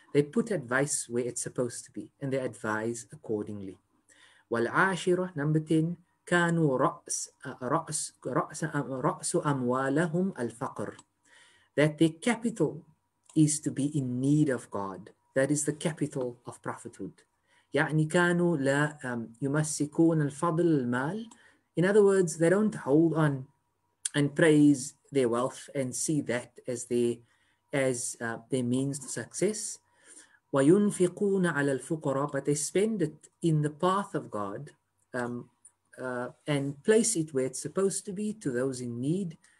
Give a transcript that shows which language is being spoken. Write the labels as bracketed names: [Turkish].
[English] They put advice where it's supposed to be, and they advise accordingly. [Arabic] والعاشرة, [English] number 10, [Arabic] كانوا رأس أموالهم الفقر, [English] that their capital is to be in need of God. That is the capital of prophethood. [Arabic] يعني كانوا لا يمسكون الفضل المال. [English] In other words, they don't hold on and praise their wealth and see that as their means to success. [Arabic] وينفقون على الفقراء, [English] but they spend it in the path of God and place it where it's supposed to be, to those in need.